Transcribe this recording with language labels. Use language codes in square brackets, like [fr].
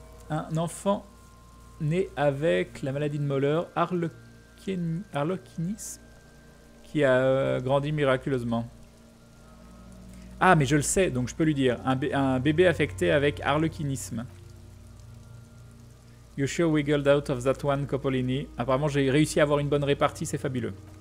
[fr] Un enfant né avec la maladie de Moller, Harlequinis, qui a grandi miraculeusement. Ah, mais je le sais, donc je peux lui dire. Un bébé affecté avec harlequinisme. [en] You sure wiggled out of that one, Coppolini? [fr] Apparemment, j'ai réussi à avoir une bonne répartie, c'est fabuleux.